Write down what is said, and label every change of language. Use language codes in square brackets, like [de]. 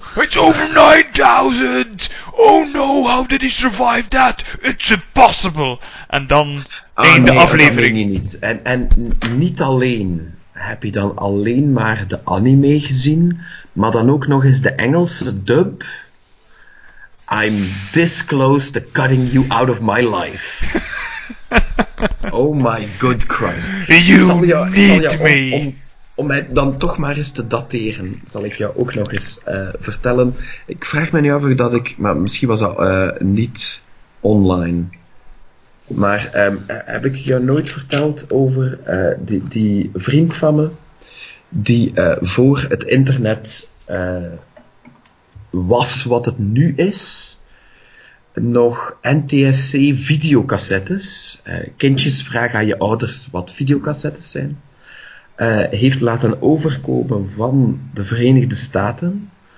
[en] It's over 9000! Oh no, how did he survive that? It's impossible! [nl] En dan einde aflevering. Dat meen je niet. En niet alleen... Heb je dan alleen maar de anime gezien, maar dan ook nog eens de Engelse dub? [en] I'm this close to cutting you out of my life. Oh my good Christ. You need me. [nl] Om mij dan toch maar eens te dateren, zal ik jou ook nog eens vertellen. Ik vraag me nu af of dat ik, maar misschien was dat niet online... Maar heb ik jou nooit verteld over die vriend van me die voor het internet was wat het nu is, nog NTSC videocassettes, kindjes vragen aan je ouders wat videocassettes zijn, heeft laten overkopen van de Verenigde Staten.